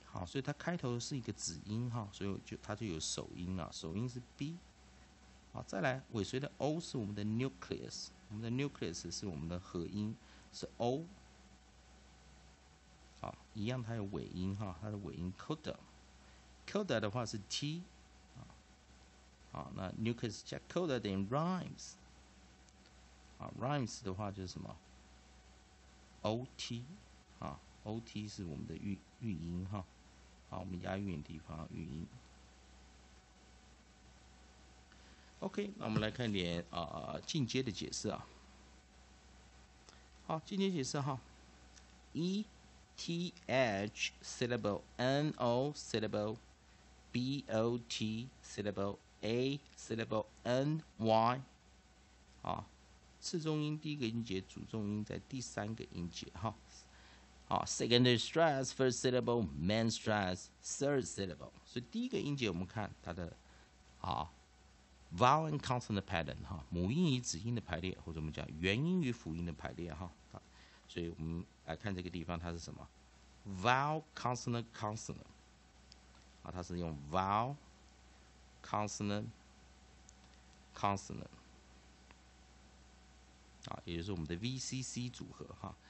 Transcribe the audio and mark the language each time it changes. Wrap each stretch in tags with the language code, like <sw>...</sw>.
<zh>好，所以它开头是一个子音哈，所以它就有首音了，首音是 B。好，再来尾随的 O 是我们的 nucleus， 我们的 nucleus 是我们的合音，是 O。好，一样它有尾音哈，它的尾音 coda 的话是 T。好，那 nucleus 加 coda 等于 rhymes。啊 ，rhymes 的话就是什么 ？OT 啊 ，OT 是我们的韵音哈。好，我们押韵的地方语音。 OK， 那我们来看点啊进阶的解释啊。好，进阶解释哈 ，E T H syllable N O syllable B O T syllable A syllable N Y， 啊，次重音第一个音节，主重音在第三个音节哈。</zh> <en>Secondary stress, first syllable, main stress, third syllable.</en> <zh>所以第一个音节我们看它的啊</zh> <en>vowel and consonant pattern</en> <zh>哈，母音与子音的排列，或者我们讲元音与辅音的排列哈。所以我们来看这个地方它是什么</zh> <en>vowel consonant consonant</en> <zh>啊，它是用 vowel consonant consonant 啊，也就是我们的 VCC 组合哈。</zh>